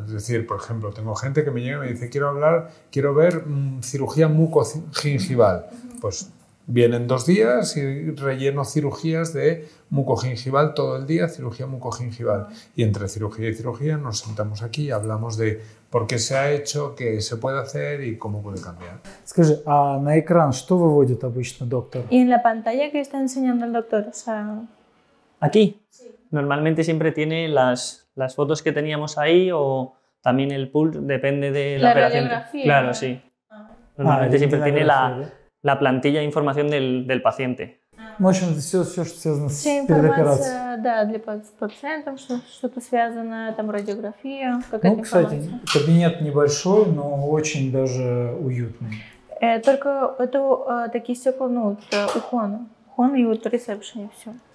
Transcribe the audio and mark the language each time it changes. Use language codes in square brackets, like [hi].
[es] Es decir, por ejemplo, tengo gente que me llega y me dice quiero hablar, quiero ver cirugía mucogingival. Pues vienen dos días y relleno cirugías de mucogingival todo el día, cirugía mucogingival. Y entre cirugía y cirugía nos sentamos aquí y hablamos de por qué se ha hecho, qué se puede hacer y cómo puede cambiar. Скажи, а на экран что выводит обычно доктор? Y en la pantalla que está enseñando el doctor, o sea... ¿Aquí? Sí. Normalmente siempre tiene las fotos que teníamos ahí o también el pulso, depende de la operación. La radiografía. Claro, sí. Normalmente siempre tiene la plantilla de información del paciente. [ru] В общем, все, что связано с операцией. Да, для пациентов, что-то связано, там радиография, какая-то информация. Ну, кстати, кабинет небольшой, но очень даже уютный. Только это такие стекла, ну, у Хуана. Хуан и вот ресепшн, и все.